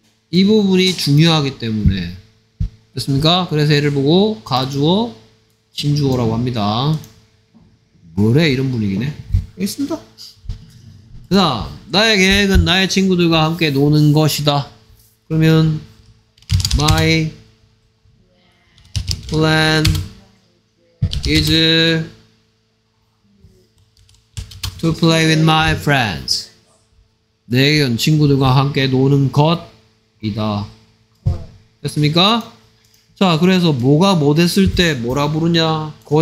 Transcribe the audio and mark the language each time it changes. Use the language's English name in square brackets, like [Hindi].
[Korean] 이 부분이 중요하기 때문에. 됐습니까? 그래서 얘를 보고 가주어, 진주어라고 합니다. 뭐래? 이런 분위기네. 알겠습니다. 그 다음, 나의 계획은 나의 친구들과 함께 노는 것이다. [English] 그러면 my plan is to play with my friends. [Korean] 내 계획은 친구들과 함께 노는 것이다. 됐습니까? 자, 그래서 뭐가 뭐 됐을 때 뭐라 부르냐?